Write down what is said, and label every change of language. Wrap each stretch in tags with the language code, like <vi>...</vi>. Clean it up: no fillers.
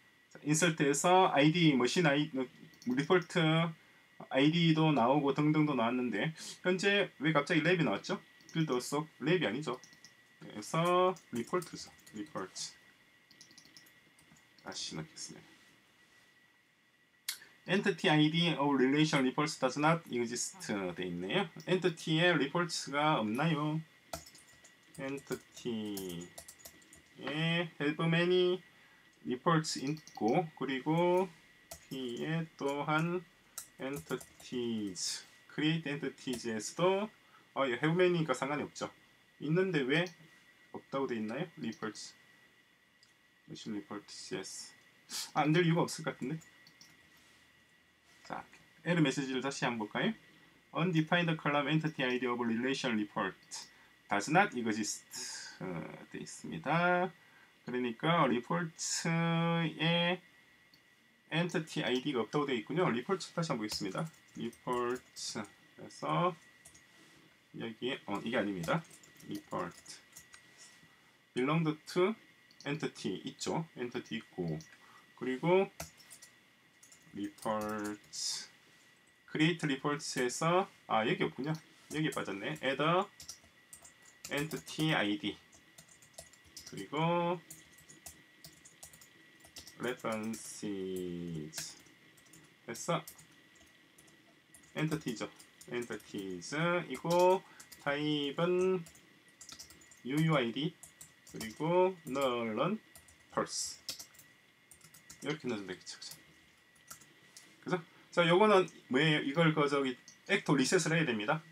<ko>자, 인서트에서 아이디 머신 아이디 리포트 아이디도 나오고 등등도 나왔는데 현재 왜 갑자기 랩이 나왔죠? 빌드 속 랩이 아니죠. 그래서 리포트죠. 리포트 다시 넣겠습니다.</ko> <en>Entity ID of relation reports does not exist</en> <ko>돼 있네요. Entity의 reports가 없나요? Entity에 help many reports 있고 그리고 P에 또한 entities create entities에서도 help many가 상관이 없죠. 있는데 왜 없다고 돼 있나요? reports machine reports 안 될 이유가 없을 것 같은데. 자, 에러 메시지를 다시 한번 볼까요?</ko> <en>Undefined column entity ID of relation report does not exist.</en> <ko>돼 있습니다. 그러니까 리포트에 엔티티 아이디가 없다고 되어 있군요. 리포트 다시 한번 보겠습니다. 리포트에서 여기에 이게 아닙니다. 리포트</ko> <en>belonged to</en> <ko>엔티티 있죠. 엔티티 있고 그리고 리포트 create reports에서 여기 없군요. 여기 빠졌네.</ko> <en>add a entity id</en> <ko>그리고</ko> <en>references 해서 entities죠.</en> <ko>entities 이고 type은 uuid 그리고 null은 pulse 이렇게 넣으면 되겠죠. 그래서 자 요거는 뭐예요? 이걸 그 저기 액토 리셋을 해야 됩니다.</ko>